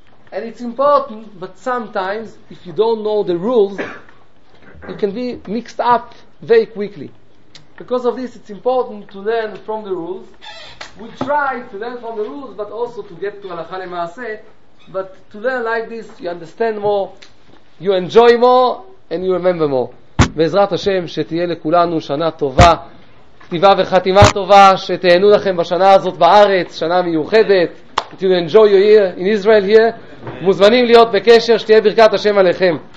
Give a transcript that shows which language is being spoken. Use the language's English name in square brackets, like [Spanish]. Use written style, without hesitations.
[English] And it's important, but sometimes if you don't know the rules, it can be mixed up very quickly. Because of this, it's important to learn from the rules. We try to learn from the rules, but also to get to halakha lemaaseh. But to learn like this, you understand more, you enjoy more, and you remember more. [Hebrew] Be'ezrat Hashem, שתהיה לכולנו שנה טובה, כתיבה וחתימה טובה, שתהנו לכם בשנה הזאת בארץ, שנה מיוחדת. [English] That you enjoy your year in Israel here. [Hebrew] מוזמנים להיות בקשר, שתהיה ברכת השם עליכם.